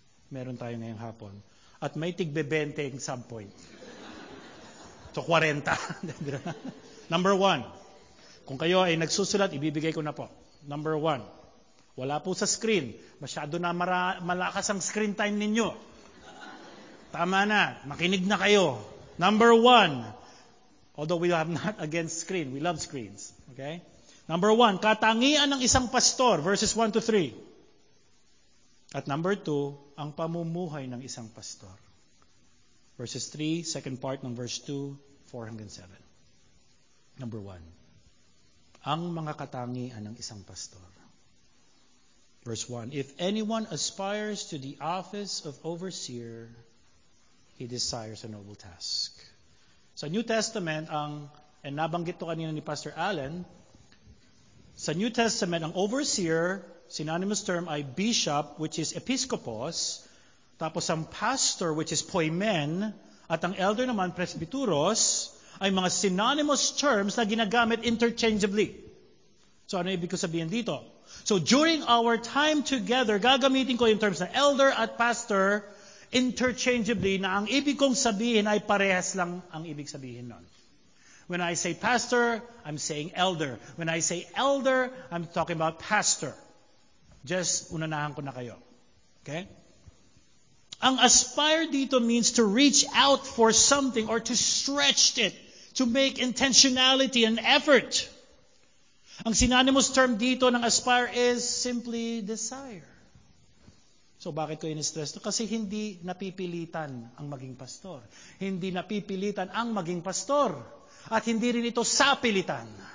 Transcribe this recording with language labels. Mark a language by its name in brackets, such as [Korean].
[Filipino] Meron tayo ngayong hapon. At may tigbe-benteng sub-point. So, 40. Number one. Kung kayo ay nagsusulat, ibibigay ko na po. Number one, wala po sa screen. Masyado na malakas ang screen time ninyo. Tama na, makinig na kayo. [English] Number one, although we have not against screen, we love screens. [Filipino] Okay? Number one, katangian ng isang pastor, verses 1 to 3. At number two, ang pamumuhay ng isang pastor. Verses 3, second part ng verse 2, 4 hanggang 7. Number one. Ang mga katangian ng isang pastor. [English] Verse 1, if anyone aspires to the office of overseer, he desires a noble task. [Filipino] Sa New Testament, and nabanggit to kanina ni Pastor Allen, sa New Testament, ang overseer, synonymous term ay bishop, which is episkopos, tapos ang pastor, which is poimen, at ang elder naman, presbyteros, ay mga synonymous terms na ginagamit interchangeably. So ano ibig ko sabihin dito? So during our time together, gagamitin ko yung terms na elder at pastor interchangeably na ang ibig kong sabihin ay parehas lang ang ibig sabihin nun. [English] When I say pastor, I'm saying elder. When I say elder, I'm talking about pastor. [Filipino] Just unanahan ko na kayo. Okay? Ang aspire dito means to reach out for something or to stretch it, to make intentionality and effort. Ang synonymous term dito ng aspire is simply desire. So bakit ko in-stress ito? Kasi hindi napipilitan ang maging pastor. Hindi napipilitan ang maging pastor. At hindi rin ito sapilitan.